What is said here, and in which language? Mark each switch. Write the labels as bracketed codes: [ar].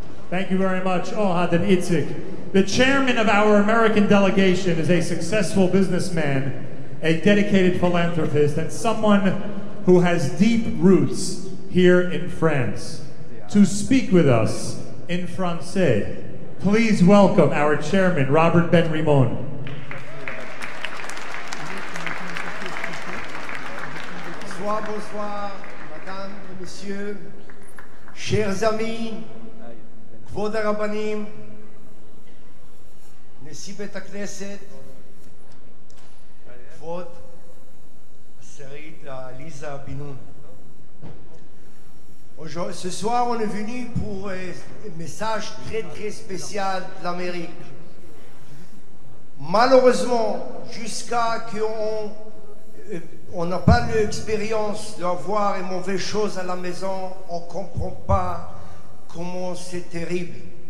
[en] The chairman of our American delegation is a successful businessman, a dedicated philanthropist, and someone who has deep roots here in France. To speak with us in Francais, please welcome our chairman, Robert Ben-Rimon. [fr] Bonsoir, bonsoir, madame, monsieur, chers amis, [he] kvod harabanim, נשיא בית הכנסת, כבוד השרית [fr] עליזה בינון. Ce soir on est venu pour un message très très spécial de l'Amérique. Malheureusement, jusqu'à qu'on n'a pas l'expérience d'avoir une mauvaise chose à la maison, on comprend pas comment c'est terrible.